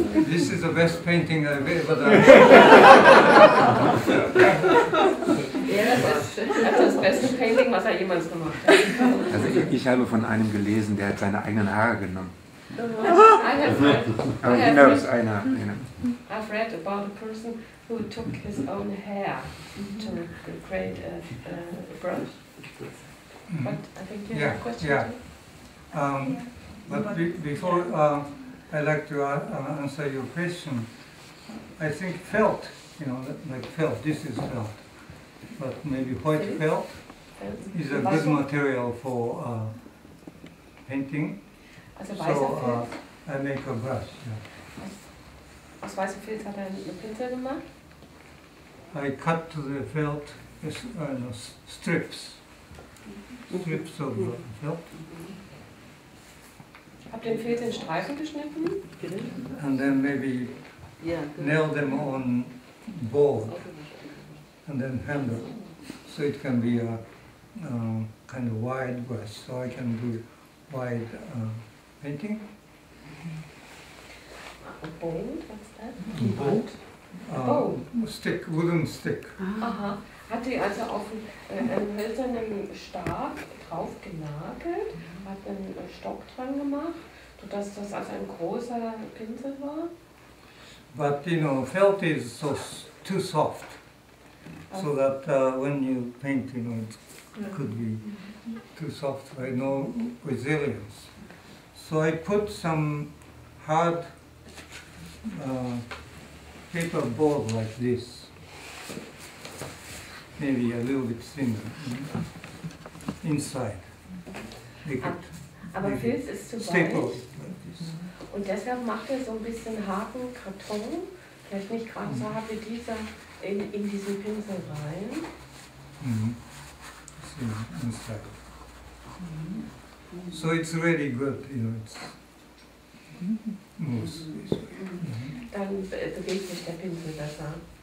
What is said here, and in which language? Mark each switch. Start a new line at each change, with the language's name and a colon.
English: This is the best painting I've ever done.
German: Ja, das ist das beste Painting, was er jemals gemacht hat. Also ich habe von einem gelesen, der hat seine eigenen Haare genommen. Aber
English: he knows
German: einer.
English: I've read about a person who took his own hair to create a brush. But I think you have a question. Yeah. But before I'd like to answer your question, I think felt, you know, like felt, this is felt. But maybe white felt is a good material for painting.
German: Also
English: so felt. I make a brush. Yeah.
German: Aus weißem Filz hat er einen Pinsel gemacht?
English: I cut to the felt strips. Strips of felt.
German: Hab den Filz in Streifen geschnitten.
English: And then maybe nail them on board and then handle. So it can be a kind of wide brush. So I can do wide painting. Bold, what's that? Bold. Stick, wooden stick. Aha. Hat die also auf einen hölzernen Stab drauf genagelt, hat einen Stock dran gemacht, sodass das also ein großer Pinsel war? But you know, felt is so too soft, so that when you paint, you know, it could be too soft, right? No resilience. So I put some hard paper board like this. Maybe a little bit thinner inside.
German: Aber Filz ist zu weich. Und deshalb macht er so ein bisschen harten Karton, vielleicht nicht gerade so hart wie dieser, in diesen Pinsel rein. Mm-hmm.
English: Inside. So it's really good, you know. It's
German: muss. Dann bewegt sich der Pinsel besser.